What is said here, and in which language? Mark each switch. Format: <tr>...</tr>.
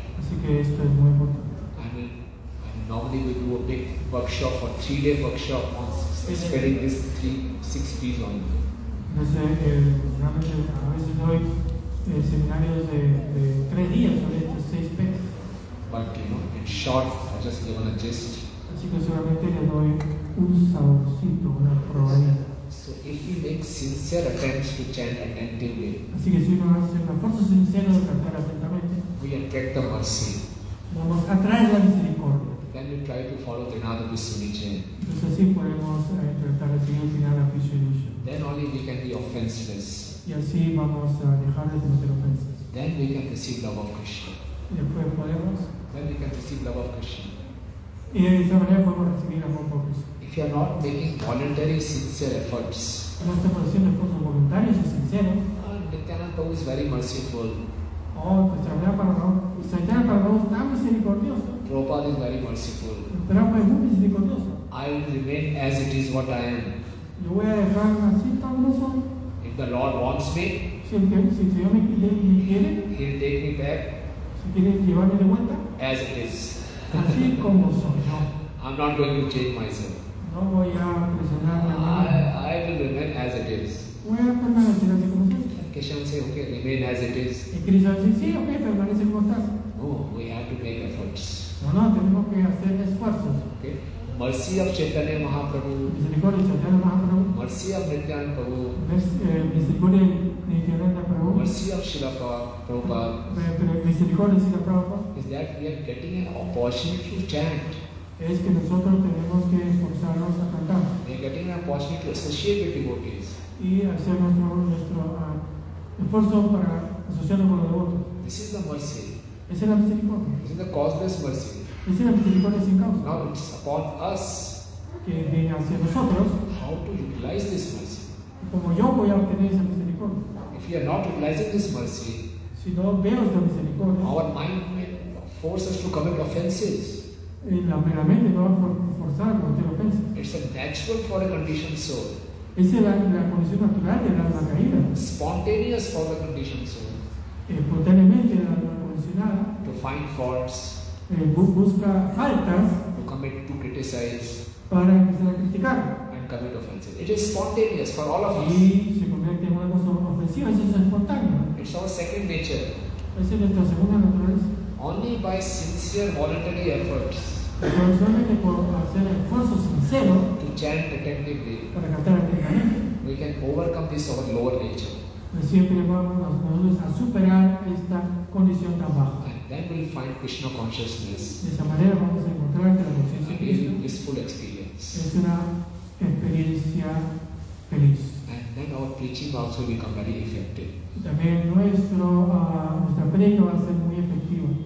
<es>Así que esto es muy importante.</es> <en>I mean, normally we do a big workshop, a 3-day workshop on spreading these 6 P's only.</en> <es>Entonces, realmente a veces doy seminarios de 3 días sobre estos 6 P's.</es> <en>But, you know, in short, I just give a gist.</en> <es>Así que solamente le doy un saborcito, una probadita.</es> <en>So if you make sincere attempts to chant attentively,</en> <es>así que si uno hace una fuerza sincera de cantar atentamente,</es> <en>we attract the mercy.</en> <es>Vamos a atraer la misericordia.</es> <en>Then we try to follow the Nada Vishnu chant.</en> <es>Entonces así podemos tratar de seguir sin Nada Vishnu chant.</es> <en>Then only we can be offenseless.</en> <es>Y así vamos a dejar de tener ofensas.</es> <en>Then we can receive love of Krishna.</en> <es>Y después podemos.</es> <en>Then we can receive love of Krishna.</en> <es>Y de esa manera podemos recibir amor por Krishna.</es> <en>If you are not making voluntary sincere efforts,</en> <es>no estamos haciendo esfuerzos voluntarios y sinceros.</es> <en>Nityananda Prabhu is very merciful. Oh, Nityananda Prabhu is</en> <es>tan misericordioso.</es> <en>Prabhupada is very merciful.</en> <es>Prabhupada es muy misericordioso.</es> <en>I will remain as it is what I am.</en> <es>Yo voy a dejar así tan soy.</es> <en>If the Lord wants me,</en> <es>si Dios me quiere,</es> <en>He will take me back.</en> <es>Si quiere llevarme de vuelta,</es> <en>as it is.</en> <es>Así como soy.</es> <en>I'm not going to change myself.</en> <es>No voy a presionar a</es> <en>nada. I will remain as it is.</en> <es>Voy a permanecer así como está.</es> <en>Krishna says, okay, remain as it is.</en> <es>Y Krishna dice, sí, okay, permanece como está.</es> <en>No, we have to make efforts.</en> <es>No, tenemos que hacer esfuerzos.</es> <en>Okay. Mercy of Chaitanya Mahaprabhu.</en> <es>Misericordia de Chaitanya Mahaprabhu.</es> <en>Mercy of Nityananda Prabhu.</en> <es>Misericordia de Nityananda Prabhu.</es> <en>Mercy of Srila Prabhupada.</en> <es>Misericordia de Srila Prabhupada.</es> <en>Is that we are getting an opportunity to chant.</en> <es>Es que nosotros tenemos que esforzarnos a cantar.</es> <en>We are getting an opportunity to associate with devotees.</en> <es>Y hacer nuestro esfuerzo para asociarnos con los devotos.</es> <en>This is the mercy.</en> <es>Esa es la misericordia.</es> <en>This is the causeless mercy.</en> <es>Es la misericordia sin causa.</es> <en>Now it's upon us.</en> <es>Que viene hacia nosotros.</es> <en>How to utilize this mercy?</en> <es>Como yo voy a obtener esa misericordia.</es> <en>If we are not utilizing this mercy,</en> <es>si no veo esta misericordia,</es> <en>our mind may force us to commit offenses.</en> <es>En la mera mente nos va a forzar a cometer ofensas.</es> <en>It's a natural for a conditioned soul.</en> <es>Esa es la condición natural de la alma caída.</es> <en>Spontaneous for a conditioned soul.</en> <es>Espontáneamente la alma condicionada.</es> <en>To find faults.</en> <es>Busca faltas.</es> <en>To commit, to criticize.</en> <es>Para empezar a criticar.</es> <en>And commit offenses. It is spontaneous for all of us.</en> <es>Y se convierte en una cosa ofensiva. Eso es espontáneo.</es> <en>It It's our second nature.</en> <es>Es nuestra segunda naturaleza.</es> <en>Only by sincere voluntary efforts.</en> <es>Pero solamente por hacer esfuerzo sincero.</es> <en>To chant attentively.</en> <es>Para cantar atentamente.</es> <en>We can overcome this our lower nature.</en> <es>Siempre vamos nosotros a superar esta condición tan baja.</es> <en>And then we'll find Krishna consciousness.</en> <es>De esa manera vamos a encontrar que la conciencia de Cristo.</es> <en>A peaceful experience.</en> <es>Es una experiencia feliz.</es> <en>And then our preaching will also become very effective.</en> <es>También nuestra predica va a ser muy efectiva.</es>